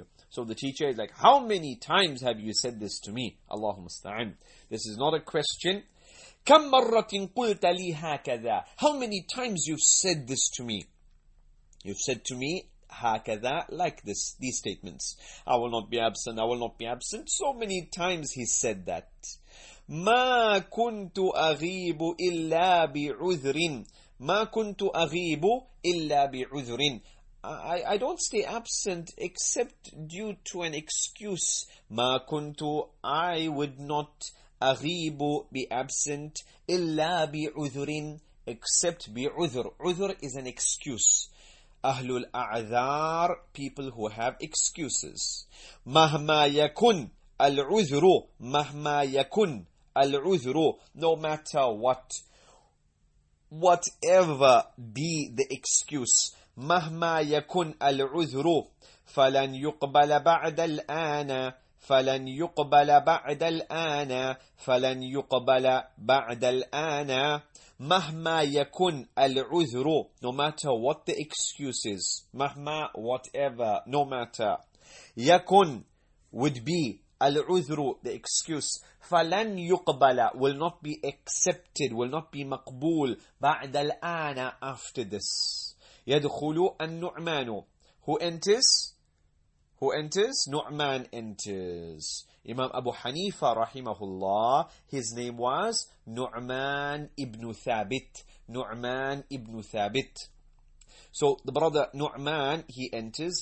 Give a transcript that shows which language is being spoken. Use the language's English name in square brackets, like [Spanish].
[English] So the teacher is like, how many times have you said this to me? Allahumma musta'an. This is not a question. [Arabic] كَمْ مَرَّةٍ قُلْتَ لِي هَكَذَا, [English] how many times you've said this to me? You've said to me, [Arabic] هَكَذَا, [English] like this, these statements. I will not be absent, I will not be absent. So many times he said that. [Arabic] مَا كُنْتُ أَغِيبُ إِلَّا بِعُذْرٍ, [English] مَا كُنْتُ أَغِيبُ إِلَّا بِعُذْرٍ, I don't stay absent except due to an excuse. [Arabic] مَا كُنْتُ, [English] I would not, [Arabic] أَغِيبُ, [English] be absent, [Arabic] إِلَّا بِعُذْرٍ, [English] except [Arabic] بِعُذْر. [English] عُذْر is an excuse. [Arabic] أَهْلُ الْأَعْذَارِ, [English] people who have excuses. [Arabic] مَهْمَا يَكُنْ الْعُذْرُ, مَهْمَا يَكُنْ الْعُذْرُ, [English] no matter what, whatever be the excuse. [Arabic] مَهْمَا يَكُنْ الْعُذْرُ, فَلَنْ يُقْبَلَ بَعْدَ الْآنَ, فَلَنْ يُقْبَلَ بَعْدَ الْآنَ, فَلَنْ يُقْبَلَ بَعْدَ الْآنَ, مَهْمَا يَكُنْ الْعُذْرُ, [English] no matter what the excuse is, [Arabic] مَهْمَا, [English] whatever, no matter, [Arabic] يَكُنْ [English] would be, [Arabic] الْعُذْرُ, [English] the excuse, [Arabic] فَلَنْ يُقْبَلَ, [English] will not be accepted, will not be [Arabic] مَقْبُول, بَعْدَ الْآنَ, [English] after this. [Arabic] يَدْخُلُ النُّعْمَانُ, [English] who enters? Nu'man enters. Imam Abu Hanifa rahimahullah, his name was Nu'man ibn Thabit. Nu'man ibn Thabit. So the brother Nu'man, he enters.